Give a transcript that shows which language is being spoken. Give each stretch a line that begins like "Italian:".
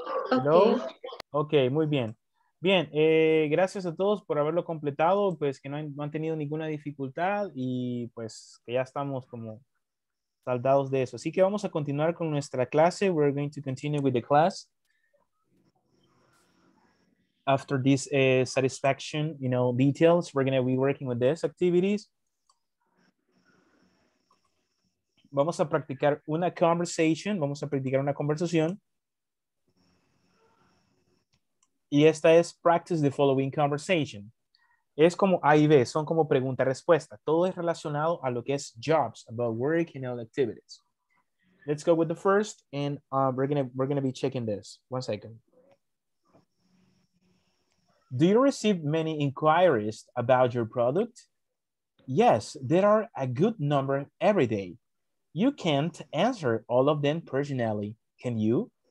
English: Hello.
Spanish: Ok, muy bien. Bien, gracias a todos por haberlo completado, pues que no han tenido ninguna dificultad y pues que ya estamos como saldados de eso. Así que vamos a continuar con nuestra clase.
English: We're going to continue with the class. After this satisfaction, you know, details, we're going to be working with these activities.
Spanish: Vamos a practicar una conversation. Vamos a practicar una conversación. Y esta es
English: practice the following conversation.
Spanish: Es como A y B, son como pregunta-respuesta. Todo es relacionado a lo que es jobs,
English: about work and all activities. Let's go with the first, and we're gonna be checking this. One second. Do you receive many inquiries about your product? Yes, there are a good number every day. You can't answer all of them personally, can you?